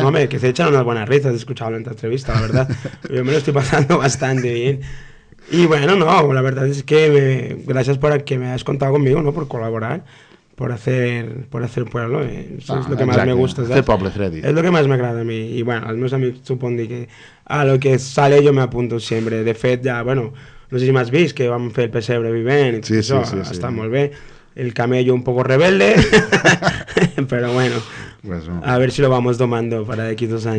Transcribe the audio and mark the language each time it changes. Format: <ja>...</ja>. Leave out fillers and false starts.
<es>Home, que se echan unas buenas risas escuchando en esta entrevista, la verdad. Yo me lo estoy pasando bastante bien. Y bueno, no, la verdad es que gracias por que me has contado conmigo, ¿no? Por colaborar. por hacer pueblo, es lo que más me gusta, ¿sabes? Hacer pueblo, Freddy. Es lo que más me agrada a mí, y bueno,</es> <ca>los meus amics</ca> <es>supongo que a lo que sale yo me apunto siempre.</es> <ca>De fet, ja, bueno, no sé si m'has vist que vam fer el pessebre vivent i tot això, està molt bé.</ca> <es>El camello un poco rebelde, pero bueno, pues no. A ver si lo vamos domando para d'aquí dos años.</es>